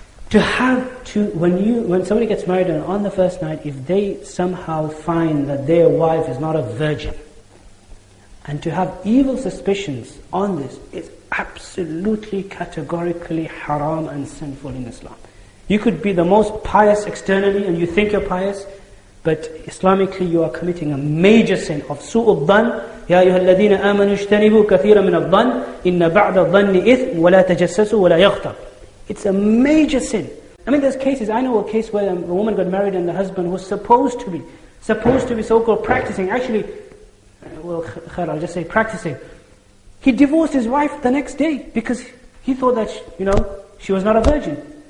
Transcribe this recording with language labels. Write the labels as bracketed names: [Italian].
[English] When somebody gets married and on the first night, if they somehow find that their wife is not a virgin, and to have evil suspicions on this is absolutely categorically haram and sinful in Islam. You could be the most pious externally and you think you're pious, but Islamically, you are committing a major sin of su'ud dhan. [Arabic] يا أيها الذين آمنوا اجتنبوا كثيرا من الظن إن بعض الظن إثم ولا تجسسوا ولا يغتب. [English] It's a major sin. I mean, there's cases. I know a case where a woman got married and the husband was supposed to be so-called practicing. Actually, well, I'll just say practicing. He divorced his wife the next day because he thought that she was not a virgin.